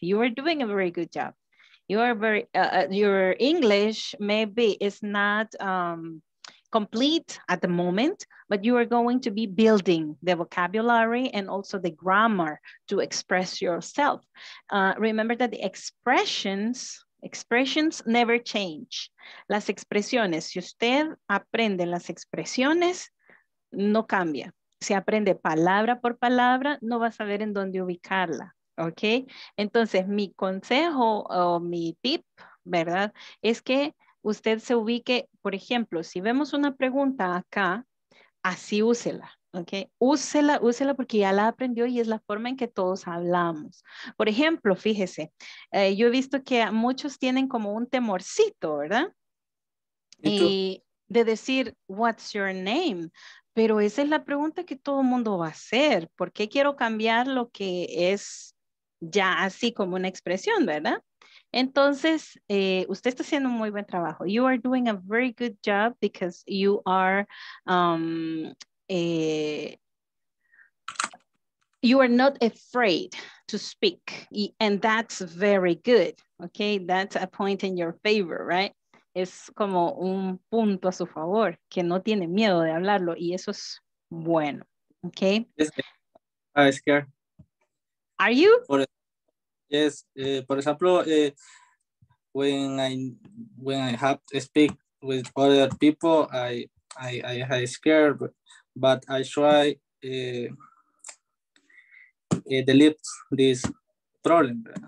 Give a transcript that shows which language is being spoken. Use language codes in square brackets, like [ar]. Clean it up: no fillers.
[en] You are doing a very good job. You are very, your English maybe is not complete at the moment, but you are going to be building the vocabulary and also the grammar to express yourself. Remember that the expressions never change. [es] Las expresiones, si usted aprende las expresiones, no cambia. Si aprende palabra por palabra, no va a saber en dónde ubicarla, ¿Ok? Entonces, mi consejo o mi tip, ¿verdad? Es que usted se ubique, por ejemplo, si vemos una pregunta acá, así úsela. ¿Ok? Úsela, úsela porque ya la aprendió y es la forma en que todos hablamos. Por ejemplo, fíjese, yo he visto que muchos tienen como un temorcito, ¿verdad? Y de decir, [en] what's your name? [es] Pero esa es la pregunta que todo mundo va a hacer. ¿Por qué quiero cambiar lo que es ya así como una expresión, ¿verdad? Entonces, usted está haciendo un muy buen trabajo. [en] You are doing a very good job because you are, you are not afraid to speak. And that's very good, okay? That's a point in your favor, right? [es] Es como un punto a su favor, que no tiene miedo de hablarlo, y eso es bueno, okay? [en] I'm scared. Are you? Yes, for example, when I have to speak with other people, I scared, but I try delete this problem.